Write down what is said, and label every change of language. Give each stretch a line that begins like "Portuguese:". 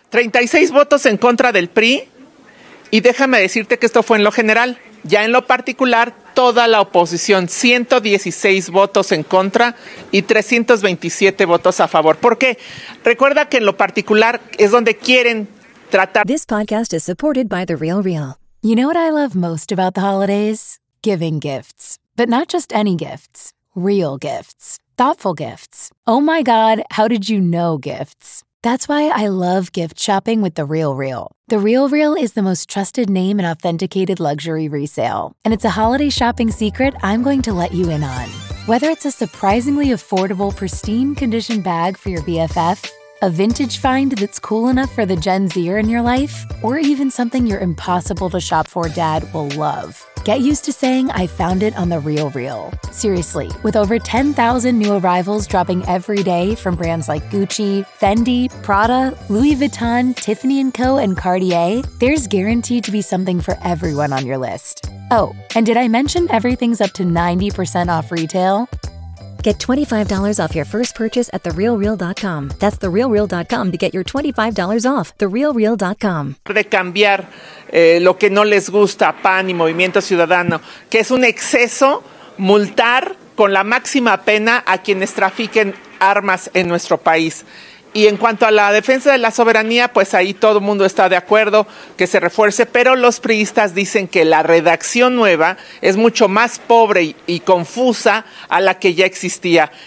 Spanish: 36 votos en contra del PRI. Y déjame decirte que esto fue en lo general. Ya en lo particular, toda la oposición, 116 votos en contra y 327 votos a favor. ¿Por qué? Recuerda que en lo particular es donde quieren tratar.
English: This podcast is supported by The Real Real. You know what I love most about the holidays? Giving gifts. But not just any gifts, real gifts, thoughtful gifts. Oh my God, how did you know gifts? That's why I love gift shopping with The Real Real. The Real Real is the most trusted name in authenticated luxury resale. And it's a holiday shopping secret I'm going to let you in on. Whether it's a surprisingly affordable, pristine condition bag for your BFF, a vintage find that's cool enough for the Gen Zer in your life, or even something your impossible to shop for dad will love. Get used to saying, I found it on The Real Real. Seriously, with over 10,000 new arrivals dropping every day from brands like Gucci, Fendi, Prada, Louis Vuitton, Tiffany & Co., and Cartier, there's guaranteed to be something for everyone on your list. Oh, and did I mention everything's up to 90% off retail? Get $25 off your first purchase at TheRealReal.com. That's TheRealReal.com to get your $25 off. TheRealReal.com.
Spanish: De cambiar lo que no les gusta, PAN y Movimiento Ciudadano, que es un exceso multar con la máxima pena a quienes trafiquen armas en nuestro país. Y en cuanto a la defensa de la soberanía, pues ahí todo el mundo está de acuerdo que se refuerce, pero los priistas dicen que la redacción nueva es mucho más pobre y confusa a la que ya existía.